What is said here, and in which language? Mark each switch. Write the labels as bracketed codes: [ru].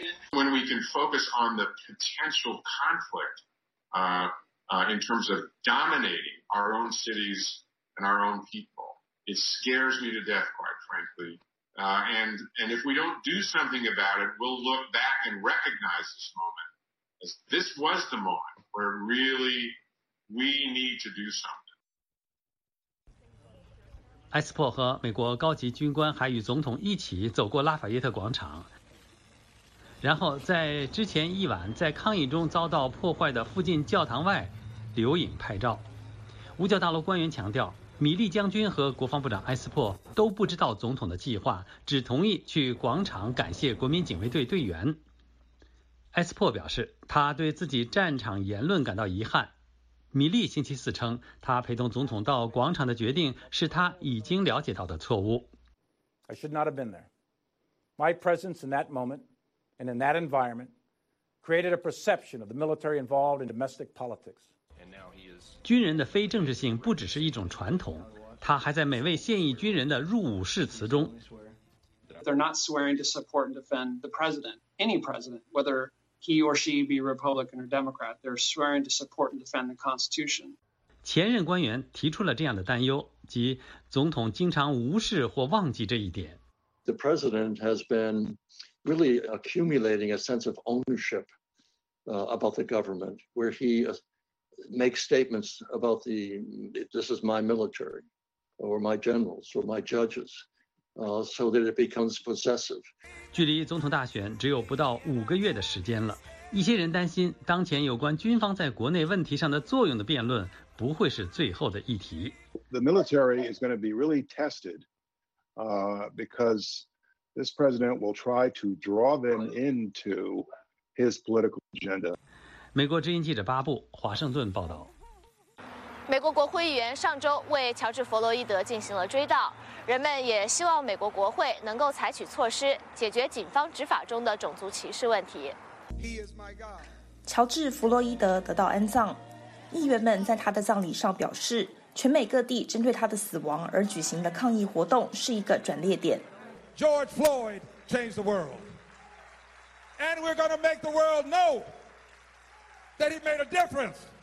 [en] When we can focus on the potential conflict, in terms of dominating our own cities and our own people, it scares me to death, quite frankly. And if we don't do something about it, we'll look back and recognize this moment. This was the moment where really we need to do something. [zh] 埃斯珀和美国高级军官还与总统一起走过拉法耶特广场。然后在之前一晚在抗议中遭到破坏的附近教堂外留影拍照。五角大楼官员强调，米利将军和国防部长埃斯珀都不知道总统的计划，只同意去广场感谢国民警卫队队员。埃斯珀表示，他对自己战场言论感到遗憾。米利星期四称，他陪同总统到广场的决定是他已经了解到的错误。 [en] I should not have been there. My presence in that moment. And in that environment, created a perception of the military involved in domestic politics. [zh] 军人的非政治性不只是一种传统，它还在每位现役军人的入伍誓词中。 [en] They're not swearing to support and defend the president, any president, whether he or she be Republican or Democrat. They're swearing to support and defend the Constitution. [zh] 前任官员提出了这样的担忧，即总统经常无视或忘记这一点。 [en] The president has been. Really accumulating a sense of ownership about the government, where he makes statements about the this is my military, or my generals, or my judges, so that it becomes possessive. [zh] 距离总统大选只有不到五个月的时间了，一些人担心当前有关军方在国内问题上的作用的辩论不会是最后的议题。 [en] The military is going to be really tested, because. This president will try to draw them into his political agenda. [zh] 美国之音记者巴布，华盛顿报道。美国国会议员上周为乔治·弗洛伊德进行了追悼，人们也希望美国国会能够采取措施，解决警方执法中的种族歧视问题。乔治·弗洛伊德得到安葬，议员们在他的葬礼上表示，全美各地针对他的死亡而举行的抗议活动是一个转捩点。 [en] George Floyd changed the world. And we're going to make the world know that he made a difference.